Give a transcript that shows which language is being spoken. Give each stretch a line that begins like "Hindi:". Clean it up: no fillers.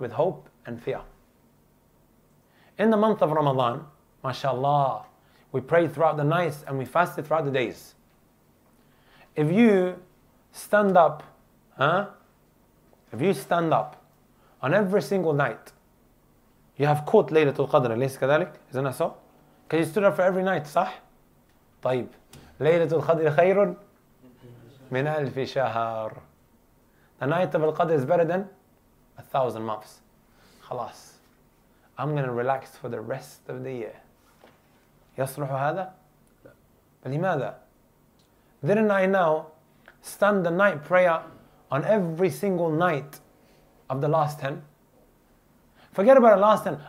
English: With hope and fear. In the month of Ramadan, mashallah, we pray throughout the nights and we fasted throughout the days. If you stand up, if you stand up on every single night, you have caught Laylatul Qadr, isn't that so? Because you stood up for every night,
Arabic: صح? طيب, Laylatul Qadr خير من ألف شهر.
English: The night of Al-Qadr is better than 1,000 months.
Arabic: خلاص,
English: I'm going to relax for the rest of the year.
Arabic: يصلح هذا؟ لماذا؟
English: Didn't I now stand the night prayer on every single night of the last 10? Forget about the last 10.